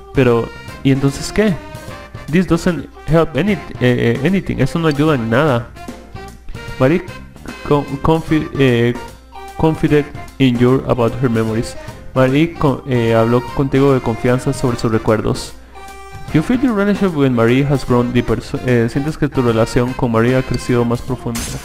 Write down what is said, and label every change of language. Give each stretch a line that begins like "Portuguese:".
Spanish: Pero, ¿y entonces qué?
English: This doesn't help anything.
Spanish: Eso no ayuda en nada.
English: Marie confided in you about her memories.
Spanish: Marie habló contigo de confianza sobre sus recuerdos.
English: You feel your relationship with Marie has grown deeper.
Spanish: Sientes que tu relación con Marie ha crecido más profunda.